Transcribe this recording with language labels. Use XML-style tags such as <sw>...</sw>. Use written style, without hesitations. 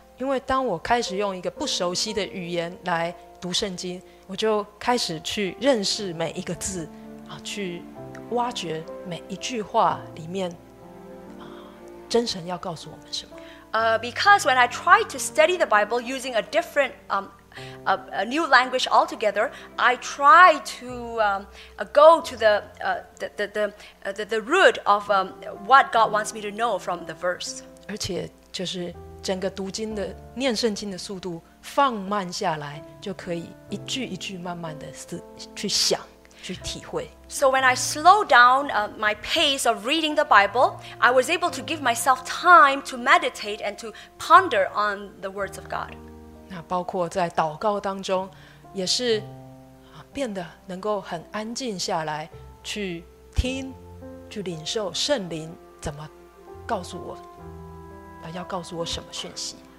<zh>因为当我开始用一个不熟悉的语言来读圣经，我就开始去认识每一个字，去挖掘每一句话里面真神要告诉我们什么。</zh> <en>Because when I try to study the Bible using a different, a new language altogether, I try to go to the root of what God wants me to know from the verse.</en> <zh>而且就是整个读经的念圣经的速度放慢下来，就可以一句一句慢慢的去想。</zh> <en>So when I slow down my pace of reading the Bible, I was able to give myself time to meditate and to ponder on the words of God.</en> <zh>那包括在祷告当中，也是变得能够很安静下来，去听，去领受圣灵怎么告诉我，要告诉我什么讯息。</zh>